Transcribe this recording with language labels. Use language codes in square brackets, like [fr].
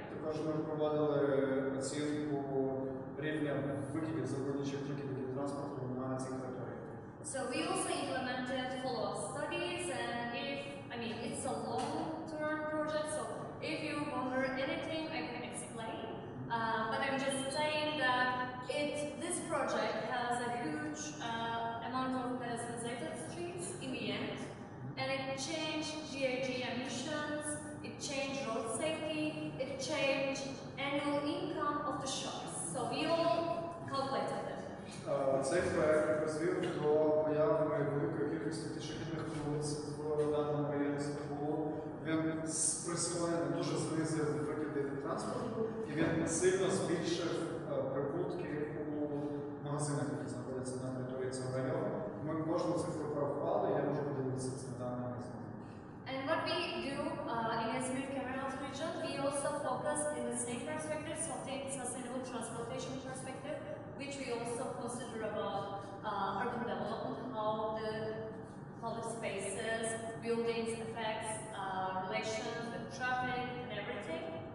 [uk] Також ми проводили оцінку рівня викидів забруднюючих викидів транспорту на цій території. [en] So we also implemented follow-up studies and it's a long-term project, so if you wonder anything I can explain. But I'm just saying that this project has a huge amount of pedestrianized streets in the end, and it changed GHG emissions, it changed road safety, it changed annual income of the shops. So we all calculated it. [uk] Цей проект розвив до появи великої кількості пішохідних вулиць в даному районі Стамбулу. Він спресивально дуже знизив викиди транспорту, і він сильно збільшив прибутки у магазинах, які знаходяться на території цього району. Ми кожну цифру порахували, я можу подивитися це на даному місці. [en] And what we do in Izmir Kemeraltı region, we also focus in the same perspective, so sustainable transportation perspective, which we also consider about urban development, how the public spaces, buildings affects relations with traffic and everything.